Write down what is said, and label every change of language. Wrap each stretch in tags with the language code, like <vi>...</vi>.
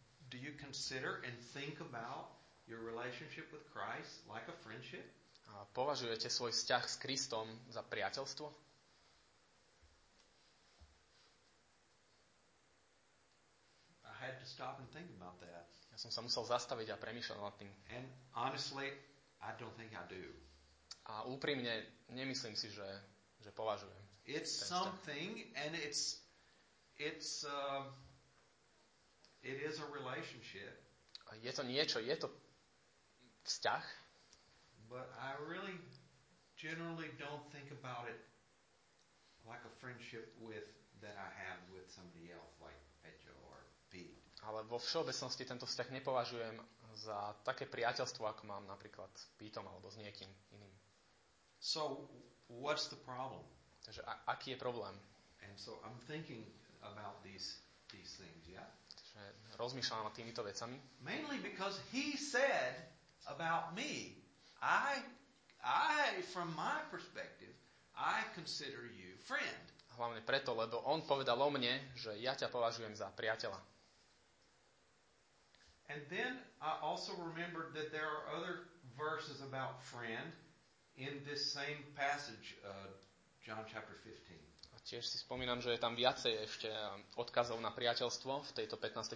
<en>Do you consider and think about your relationship with Christ like a friendship?</en> <sk>A považujete svoj vzťah s Kristom za priateľstvo?</sk> <en>I had to stop and think about that.</en> <sk>Ja som sa musel zastaviť a premýšľať nad tým.</sk> <en>And honestly, I don't think I do.</en> <sk>A úprimne, nemyslím si, že považujem.</sk> <en>It's something and it is a relationship.</en> <sk>A je to niečo, je to vzťah.</sk> <en>But I really generally don't think about it like a friendship with that I have with somebody else like Pedro or Pete.</en> <sk>Ale vo všeobecnosti tento vzťah nepovažujem za také priateľstvo, ako mám napríklad s Pítom alebo s niekým iným.</sk> <en>So what's the problem?</en> <sk>Takže aký je problém?</sk> <en>And so I'm thinking about these things, yeah.</en> <sk>Takže rozmýšľam nad týmito vecami.</sk> <en>Mainly because he said about me, I from my perspective, I consider you friend.</en> <sk>Hlavne preto, lebo on povedal o mne, že ja ťa považujem za priateľa.</sk> <en>And then I also remembered that there are other verses about friend in this same passage, John chapter 15.</en> <sk>A tiež si spomínam, že je tam viacej ešte odkazov na priateľstvo v tejto 15.</sk>